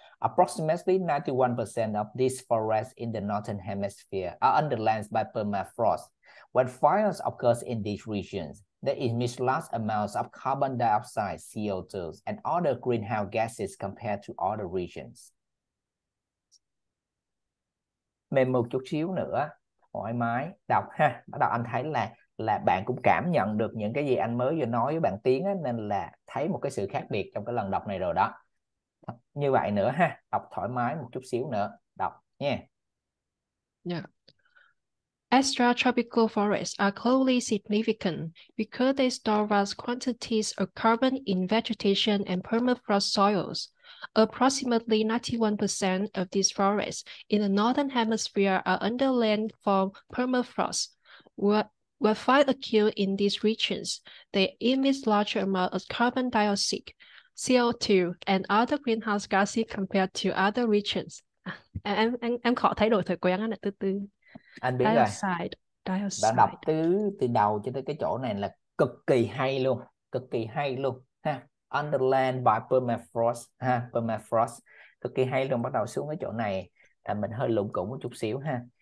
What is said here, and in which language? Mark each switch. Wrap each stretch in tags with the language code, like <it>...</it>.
<en>Approximately 91% of these forests in the northern hemisphere are underlain by permafrost. When fires occur in these regions, they emit large amounts of carbon dioxide, CO2, and other greenhouse gases compared to other regions.</en> <vi>Mềm một chút xíu nữa, thoải mái, đọc ha. Bắt đầu anh thấy là bạn cũng cảm nhận được những cái gì anh mới vừa nói với bạn Tiến ấy, nên là thấy một cái sự khác biệt trong cái lần đọc này rồi đó. Như vậy nữa ha, đọc thoải mái một chút xíu nữa, đọc nha.</vi> <en>Yeah. Extratropical forests are globally significant because they store vast quantities of carbon in vegetation and permafrost soils. Approximately 91% of these forests in the northern hemisphere are underlain from permafrost. Where fire occur in these regions, they emit larger amounts of carbon dioxide, CO2 and other greenhouse gases compared to other regions.</en> <vi>Em khó thay đổi thói quen anh ạ, từ từ. Anh biết</vi> <en>dioxide,</en> <vi>rồi. Dioxide. Bạn đọc từ đầu cho tới cái chỗ này là cực kỳ hay luôn ha.</vi> <en>Underlain by permafrost</en> <vi>ha, permafrost. Cực kỳ hay luôn, bắt đầu xuống cái chỗ này là mình hơi lủng củng một chút xíu ha.</vi>